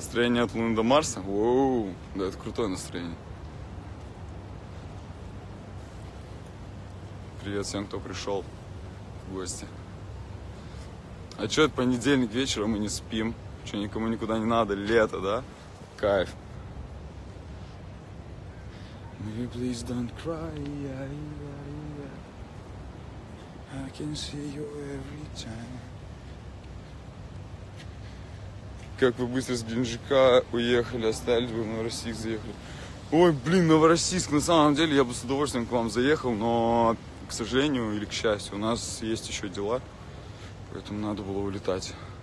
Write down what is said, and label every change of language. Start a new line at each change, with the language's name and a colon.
Russian: Настроение от Луны до Марса? Воу, да, это крутое настроение. Привет всем, кто пришел в гости. А что это понедельник вечером, мы не спим? Что, никому никуда не надо? Лето, да? Кайф.
English: Maybe please don't cry, yeah, yeah, yeah. I can see you every time.
Russian: Как вы быстро с Геленджика уехали, остались бы в Новороссийск заехали. Ой, блин, Новороссийск, на самом деле я бы с удовольствием к вам заехал, но, к сожалению или к счастью, у нас есть еще дела, поэтому надо было улетать.